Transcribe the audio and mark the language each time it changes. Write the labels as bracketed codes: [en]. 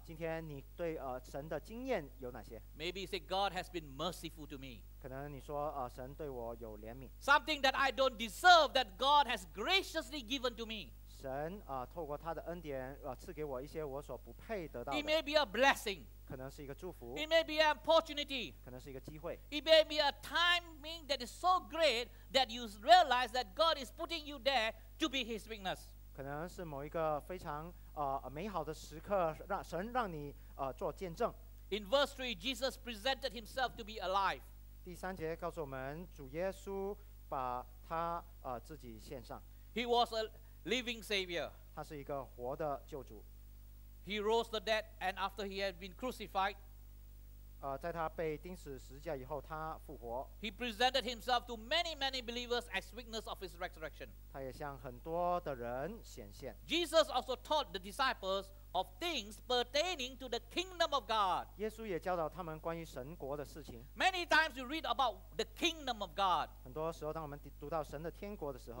[zh] 今天你对神的经验有哪些 [en] ？Maybe you say God has been merciful to me. [zh] 可能你说神对我有怜悯。 [en] Something that I don't deserve that God has graciously given to me. [zh] 神透过他的恩典赐给我一些我所不配得到的。 [en] It may be a blessing. [zh] 可能是一个祝福。 [en] It may be an opportunity. [zh] 可能是一个机会。 [en] It may be a timing that is so great that you realize that God is putting you there. To be His witness. [zh] 可能是某一个非常美好的时刻，让神让你做见证。 [en] In verse 3, Jesus presented Himself to be alive. [zh] 第三节告诉我们，主耶稣把他自己献上。 [en] He was a living Savior. [zh] 他是一个活的救主。 [en] He rose the dead, and after He had been crucified, [zh] 在他被钉死十字架以后，他复活。 [en] He presented Himself to many believers as witness of His resurrection. [zh] 他也向很多的人显现。 [en] Jesus also taught the disciples of things pertaining to the kingdom of God. [zh] 耶稣也教导他们关于神国的事情。 [en] Many times we read about the kingdom of God. [zh] 很多时候，当我们读到神的天国的时候